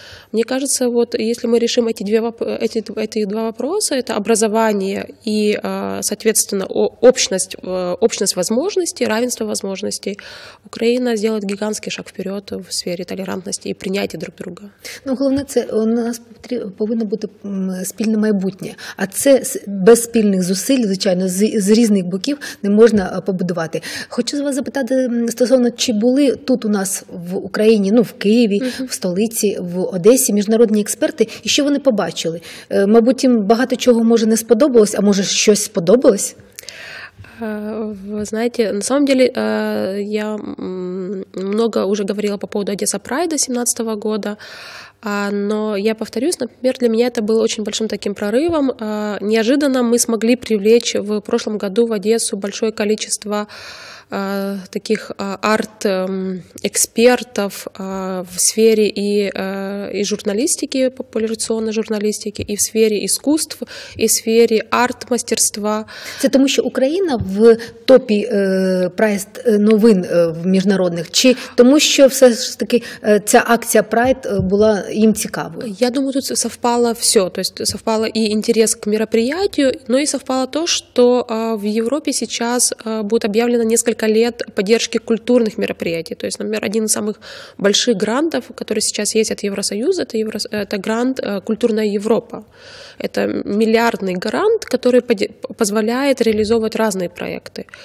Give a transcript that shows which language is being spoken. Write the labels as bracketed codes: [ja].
[ru] Мне кажется, вот если мы решим эти два вопроса, это образование и, соответственно, общность возможностей, равенство возможностей, Украина сделает гигантский шаг вперед в сфере толерантности и принятия друг друга. Ну, главное, это у нас повинно быть [uk] спільне майбутнє. А це без спільних зусиль, звичайно, з різних боків не можна побудувати. Хочу вас запитати стосовно, чи були тут у нас в Україні, ну, в Києві, в столиці, в Одесі міжнародні експерти, і що вони побачили? Мабуть, їм багато чого, може, не сподобалось, а може, щось сподобалось? [ru] Вы знаете, на самом деле я много уже говорила по поводу Одесса Прайда 2017 года, но я повторюсь, например, для меня это было очень большим таким прорывом. Неожиданно мы смогли привлечь в прошлом году в Одессу большое количество таких арт-экспертов в сфере и журналистики, популяризационной журналистики, и в сфере искусств, и в сфере арт-мастерства. [uk] Це тому, що Україна в топі прайд новин міжнародних, чи тому, що все ж таки ця акція прайд була їм цікавою? [ru] Я думаю, тут совпало все. Тобто совпало і інтерес к мероприятию, но і совпало то, [uk] що в Європі [ru] сейчас [uk] буде об'явлено [ru] несколько лет поддержки культурных мероприятий. То есть, например, один из самых больших грантов, который сейчас есть от Евросоюза, это грант «Культурная Европа». Это миллиардный грант, который позволяет реализовывать разные проекты.